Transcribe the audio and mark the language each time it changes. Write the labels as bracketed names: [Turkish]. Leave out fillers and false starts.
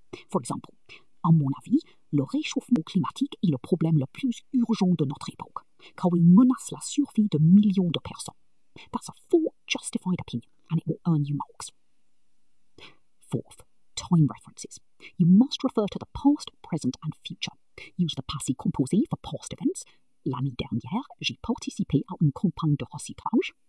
[English] For example, [French] à mon avis, le réchauffement climatique est le problème le plus urgent de notre époque, car il menace la survie de millions de personnes. [English] That's a 4 justified opinion, and it will earn you marks. Fourth, time references. You must refer to the past, present, and future. Use the passé composé for past events. [French] L'année dernière, j'ai participé à une campagne de recyclage.